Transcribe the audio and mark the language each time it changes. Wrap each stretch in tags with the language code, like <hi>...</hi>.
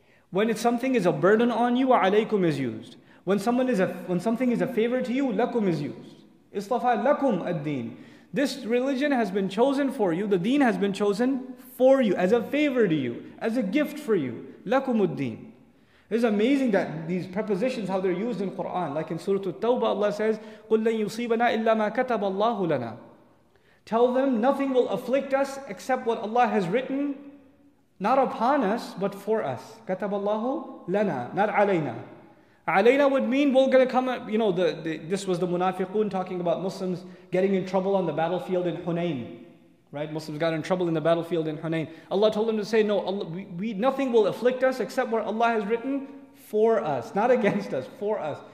<en>When it's something is a burden on you, alaykum is used. When something is a favor to you, lakum is used.</en> <ar>Istafa lakum ad-deen.</ar> <en>This religion has been chosen for you. The deen has been chosen for you, as a favor to you, as a gift for you.</en> <ar>Lakum ad-deen.</ar> <en>It's amazing that these prepositions, how they're used in Quran. Like in Surah At-Tawbah, Allah says,</en> <ar>قُلْ لَنْ يُصِيبَنَا إِلَّا مَا كَتَبَ اللَّهُ لَنَا.</ar> <en>Tell them, nothing will afflict us except what Allah has written, not upon us, but for us.</en> <ar>كَتَبَ اللَّهُ لَنَا,</ar> <en>not</en> <ar>عَلَيْنَا.</ar> <en>عَلَيْنَا would mean we're going to come, you know, this was the Munafiqun talking about Muslims getting in trouble on the battlefield in Hunayn. Right? Muslims got in trouble in the battlefield in Hunayn. Allah told them to say, no, Allah, nothing will afflict us except what Allah has written for us, not against us, for us.</en>